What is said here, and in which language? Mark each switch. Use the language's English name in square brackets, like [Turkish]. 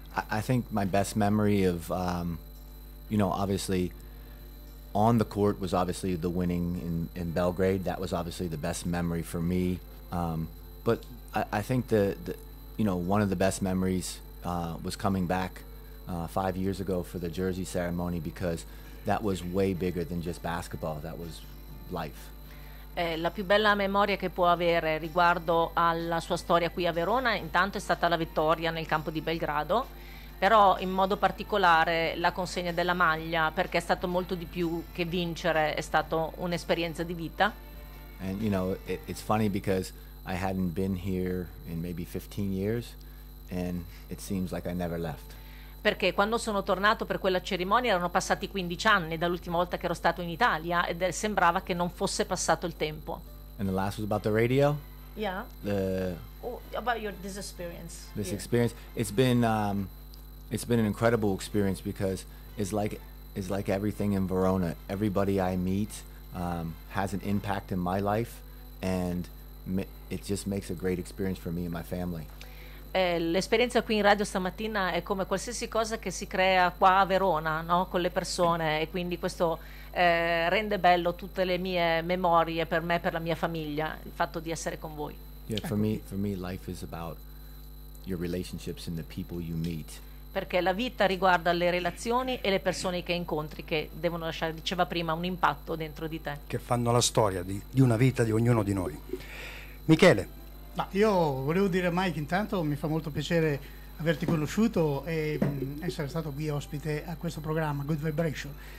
[English] I think my best memory of, you know, obviously on the court was obviously the winning in Belgrade. That was obviously the best memory for me. But I think the you know, one of the best memories was coming back 5 years ago for the jersey ceremony, because that was way bigger than just basketball. That was life. [Italian] La più bella memoria che può avere riguardo alla sua storia qui a Verona, intanto, è stata la vittoria nel campo di Belgrado, però in modo particolare la consegna della maglia, perché è stato molto di più che vincere, è stato un'esperienza di vita. [English] And you know, it's funny because I hadn't been here in maybe 15 years and it seems like I never left. [Italian] Perché quando sono tornato per quella cerimonia erano passati 15 anni dall'ultima volta che ero stato in Italia, ed sembrava che non fosse passato il tempo. [English] And the last was about the radio? Yeah. The about your this experience. This here. Experience, it's been an incredible experience, because it's like everything in Verona. Everybody I meet has an impact in my life, and it just makes a great experience for me and my family. [Italian] L'esperienza qui in radio stamattina è come qualsiasi cosa che si crea qua a Verona, no? Con le persone, e quindi questo rende bello tutte le mie memorie per me, per la mia famiglia, il fatto di essere con voi. [English] Yeah, for me life is about your relationships and the people you meet. [Italian] Perché la vita riguarda le relazioni e le persone che incontri, che devono lasciare, diceva prima, un impatto dentro di te. Che fanno la storia di una vita di ognuno di noi. Michele. Ma io volevo dire a Mike, intanto, mi fa molto piacere averti conosciuto e essere stato qui ospite a questo programma, Good Vibration.